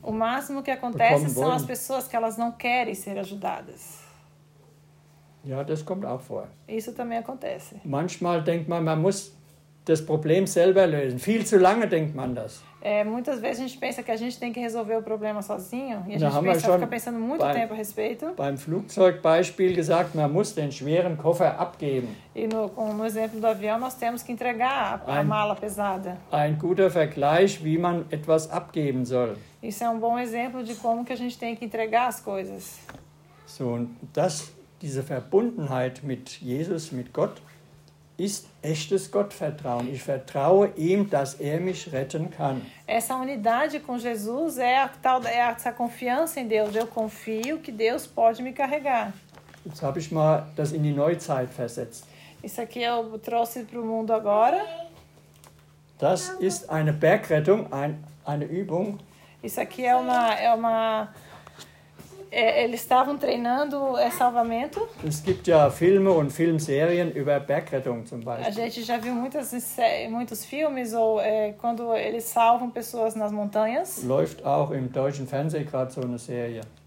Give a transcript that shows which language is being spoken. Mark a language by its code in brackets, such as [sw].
[pt] O máximo que acontece são as pessoas que elas não querem ser ajudadas. [de] Ja, das kommt auch vor. [pt] Isso também acontece. [de] Manchmal denkt man, man muss das Problem selber lösen. Viel zu lange denkt man das. [pt] Muitas vezes a gente pensa que a gente tem que resolver o problema sozinho. E a gente fica pensando muito tempo a respeito. [de] Beim Flugzeugbeispiel gesagt, man muss den schweren Koffer abgeben. [pt] E no exemplo do avião, nós temos que entregar a mala pesada. [de] Ein guter Vergleich, wie man etwas abgeben soll. [pt] Isso é um bom exemplo de como que a gente tem que entregar as coisas. [de] So, das... Diese Verbundenheit mit Jesus, mit Gott, ist echtes Gottvertrauen. Ich vertraue ihm, dass er mich retten kann. [pt] Essa unidade com Jesus é a tal da essa confiança em Deus. Eu confio que Deus pode me carregar. [de] Jetzt habe ich mal das in die Neuzeit versetzt. [pt] Isso aqui eu trouxe para o mundo agora. [de] Das ist eine Bergrettung, eine Übung. [pt] Isso aqui é uma eles estavam treinando salvamento. [de] Es gibt ja Filme und Filmserien über Bergrettung zum Beispiel. [pt] A gente já viu muitos filmes ou quando eles salvam pessoas nas montanhas. [de] Läuft auch im deutschen Fernsehen gerade so eine Serie.